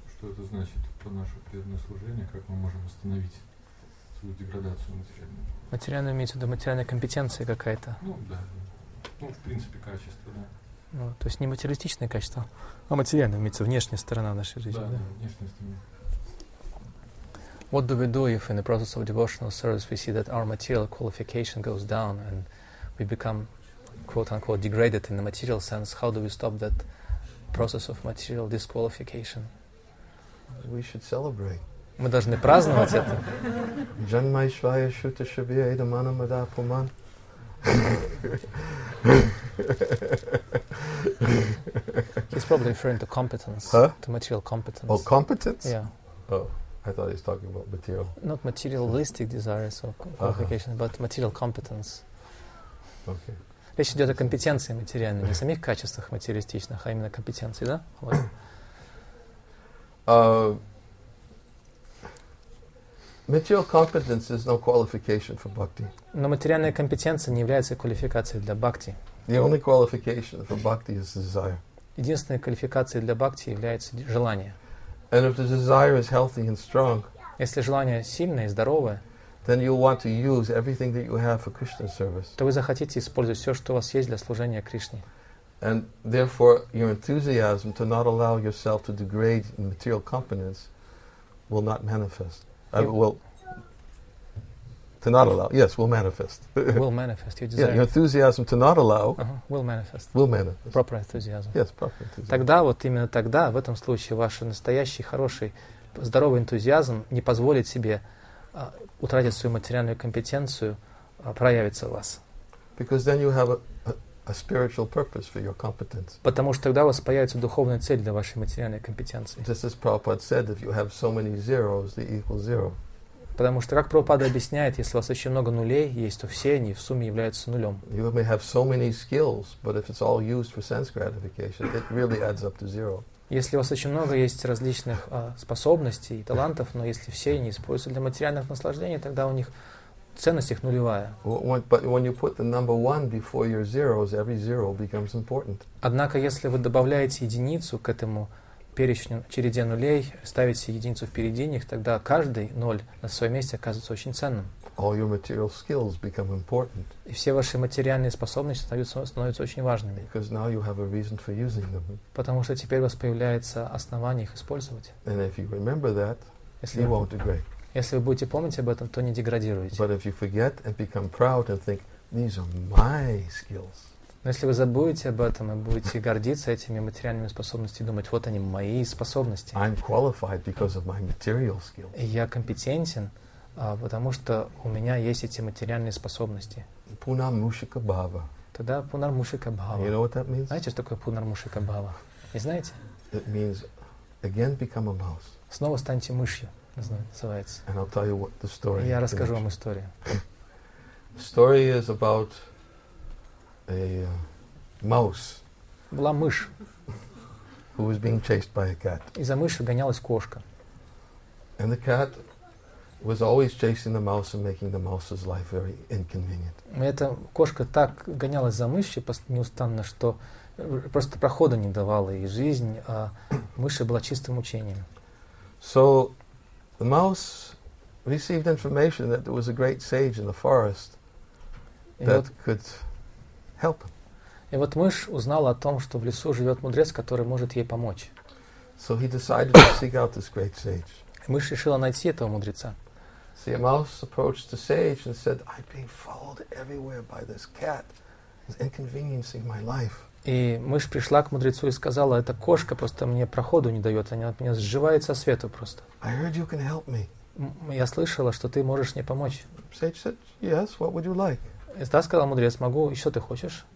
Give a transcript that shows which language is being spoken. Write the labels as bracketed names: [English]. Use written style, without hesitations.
[Russian] Что это значит по нашему преданному служению? Как мы можем остановить свою деградацию материальную? Материальную имеется в виду материальная компетенция какая-то? Ну, да. Ну, в принципе, качество, да. Ну, то есть не материалистичное качество, а материальное имеется внешняя сторона нашей жизни. Да, да? Внешняя сторона. [English] What do we do if in the process of devotional service we see that our material qualification goes down and we become, quote-unquote, degraded in the material sense? How do we stop that process of material disqualification? We should celebrate. [Russian] Мы должны праздновать это. [Sanskrit] Janmaishvaya shuta shabhya edamana madha puman. [English] He's probably referring to competence. Huh? To material competence. Oh, competence? Yeah. Oh. I thought he was talking about material. Not materialistic desires or qualifications, uh-huh. But material competence. Okay. [Russian] Речь идет о компетенции материальной, не о самих качествах материалистичных, а именно компетенции, да? Вот. [English] Material competence is no qualification for bhakti. [Russian] Но материальная компетенция не является квалификацией для бхакти. [English] The only qualification for bhakti is desire. [Russian] Единственной квалификацией для бхакти является желание. [English] And if the desire is healthy and strong, [Russian] если желание сильное и здоровое, [English] then you'll want to use everything that you have for Krishna service. [Russian] То вы захотите использовать все, что у вас есть для служения Кришне. [English] And therefore, your enthusiasm to not allow yourself to degrade in material competence will not manifest. Will manifest. Will manifest. Your desire. Yeah, your enthusiasm to not allow. Uh-huh. Will manifest. Will manifest. Proper enthusiasm. Yes, proper enthusiasm. [Russian] Тогда, вот именно тогда, в этом случае, ваш настоящий, хороший, здоровый энтузиазм не позволит себе утратить свою материальную компетенцию, проявиться в вас. [English] Because then you have a spiritual purpose for your competence. [Russian] Потому что тогда у вас появится духовная цель для вашей материальной компетенции. [English] Just as Prabhupada said, if you have so many zeros, they equal zero. [Russian] Потому что, как Прабхупада объясняет, если у вас очень много нулей есть, то все они в сумме являются нулем. [English] You may have so many skills, but if it's all used for sense gratification, it really adds up to zero. [Russian] Если у вас очень много есть различных способностей и талантов, но если все они используются для материальных наслаждений, тогда у них ценность их нулевая. [English] But when you put the number one before your zeros, every zero becomes important. [Russian] Однако, если вы добавляете единицу к этому перечню череде нулей, ставите единицу впереди них, тогда каждый ноль на своем месте оказывается очень ценным. [English] All your material skills become important. [Russian] И все ваши материальные способности становятся очень важными. [English] Because now you have a reason for using them. [Russian] Потому что теперь у вас появляется основание их использовать. [English] And if you remember that, [Russian] если [English] you won't degrade. [Russian] Если вы будете помнить об этом, то не деградируете. [English] But if you forget and become proud and think these are my skills. [Russian] Но если вы забудете об этом и будете гордиться этими материальными способностями, думать, вот они, мои способности. [English] I'm qualified because of my material skills. [Russian] И я компетентен, потому что у меня есть эти материальные способности. Пунармушика бхава. Тогда пунармушика бхава. [English] You know what that means? [Russian] Знаете, что такое пунармушика бхава? Не знаете? [English] It means again become a mouse. [Russian] Снова станьте мышью, называется. [English] And I'll tell you what the story. [Russian] Я расскажу вам историю. [English] Story is about a mouse. [Russian] Была мышь. [English] Who was being chased by a cat. [Russian] И за мышью гонялась кошка. [English] And the cat was always chasing the mouse and making the mouse's life very inconvenient. [Russian] И эта кошка так гонялась за мышью неустанно, что просто прохода не давала ей жизнь, а мыши была чистым мучением. [English] So the mouse received information that there was a great sage in the forest that could help. [Russian] И вот мышь узнала о том, что в лесу живет мудрец, который может ей помочь. [English] So he decided to seek out this great sage. [Russian] И мышь решила найти этого мудреца. [English] See, a mouse approached the sage and said, "I'm being followed everywhere by this cat. It's inconveniencing my life." [Russian] И мышь пришла к мудрецу и сказала: "Эта кошка просто мне проходу не дает, она меня сживает со света просто." [English] I heard you can help me. [Russian] Я слышала, что ты можешь мне помочь. [English] Sage said, "Yes. What would you like?" [Russian] И та сказала: "Мудрец, могу, и что ты хочешь?"